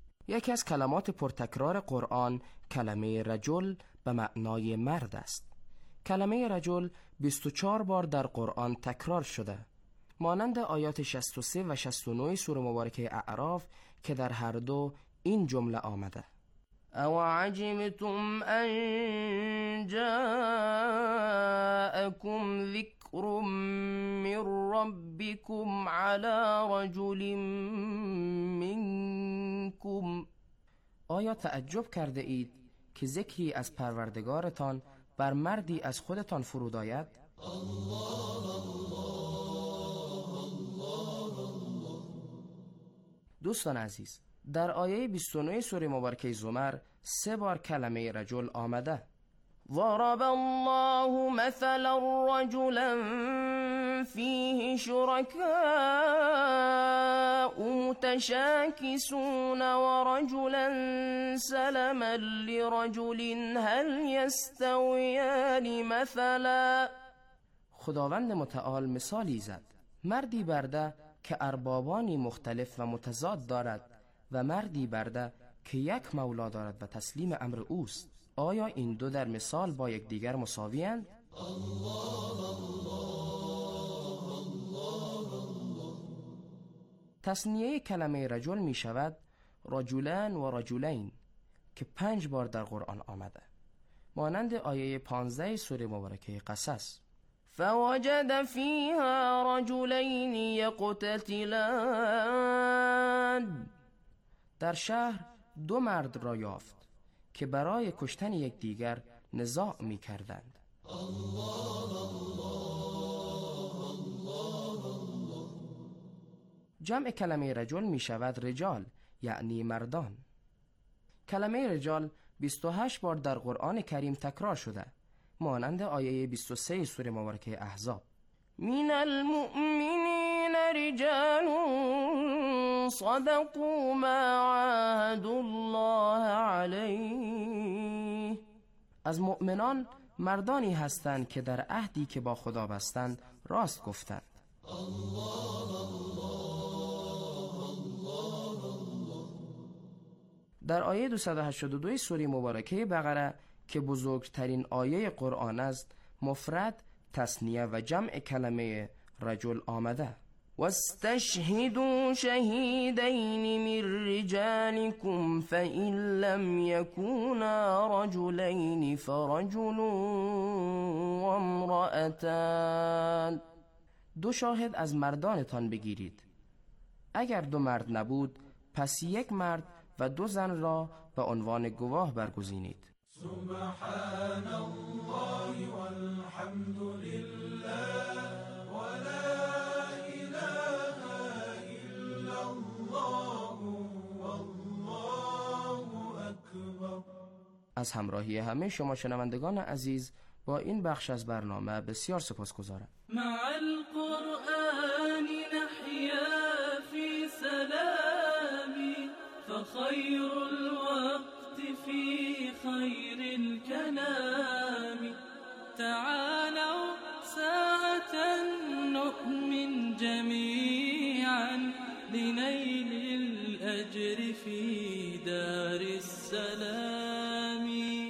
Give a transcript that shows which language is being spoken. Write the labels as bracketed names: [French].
[Persian] یکی از کلمات پرتکرار قرآن کلمه رجل به معنای مرد است. کلمه رجل 24 بار در قرآن تکرار شده، مانند آیات 63 و 69 سوره مبارکه اعراف که در هر دو این جمله آمده: [Arabic] او عجبتم ان جاءكم ذکر من ربكم على رجل منكم. [Persian] آیا تعجب کرده اید که ذکری از پروردگارتان بر مردی از خودتان فرود آید؟ دوستان عزیز، در آیه 29 سوره مبارکه زمر سه بار کلمه رجل آمده. [Arabic] ضرب الله مثلا رجلا فيه شركاء متشاكسون ورجلا سلما لرجل هل يستويان مثلا. [Persian] خداوند متعال مثالی زد، مردی برده که اربابانی مختلف و متضاد دارد و مردی برده که یک مولا دارد و تسلیم امر اوست. آیا این دو در مثال با یک دیگر مساوی اند؟ تثنیه کلمه رجل می شود رجلان و رجلین که 5 بار در قرآن آمده، مانند آیه 15 سوره مبارکه قصص: [Arabic] فوجد فيها رجلين يقتتلان. [Persian] در شهر دو مرد را یافت که برای کشتن یک دیگر نزاع می کردند. جمع کلمه رجل می شود رجال، یعنی مردان. کلمه رجال 28 بار در قرآن کریم تکرار شده، مانند آیه 23 سوره مبارکه احزاب: [Arabic] من المؤمنین رجال صدقوا ما عاهدوا الله عليه. [Persian] از مؤمنان مردانی هستند که در عهدی که با خدا بستند راست گفتند. در آیه 282 سوره مبارکه بقره که بزرگترین آیه قرآن است، مفرد، تثنیه و جمع کلمه رجل آمده. [Arabic] واستشهدوا شهيدين من رجالكم فإن لم يكونا رجلين فرجل وامرأتان. [Persian] دو شاهد از مردانتان بگیرید، اگر دو مرد نبود پس یک مرد و دو زن را به عنوان گواه برگزینید. [Arabic] سبحان الله والحمد لله ولا اله الا الله والله اكبر. [Persian] از همراهی همه شما شنوندگان عزیز با این بخش از برنامه بسیار سپاسگزارم. [Arabic] مع القرآن نحیا فی سلام فخیر الوقت فی خیر الكلام تعالوا ساعة نؤمن جميعا لنيل الأجر في دار السلام.